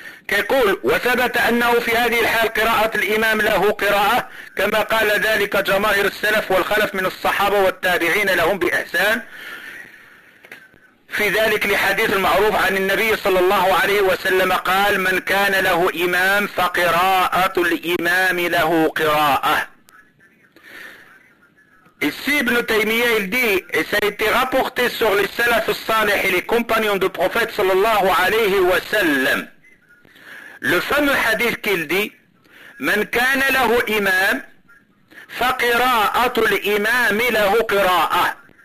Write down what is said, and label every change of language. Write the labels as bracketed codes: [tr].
[ar] كيقول وثبت أنه في هذه الحال قراءة الإمام له قراءة، كما قال ذلك جماهير السلف والخلف من الصحابة والتابعين لهم بإحسان في ذلك، لحديث المعروف عن النبي صلى الله عليه وسلم قال: من كان له إمام فقراءة الإمام له قراءة. [fr] Ici, Ibn Taymiyyah, il dit, et ça a été rapporté sur les salaf al-salih et les compagnons du prophète sallallahu alayhi wa sallam. Le fameux hadith qu'il dit, [ar] من كان له إمام فقراءة الإمام له قراءة.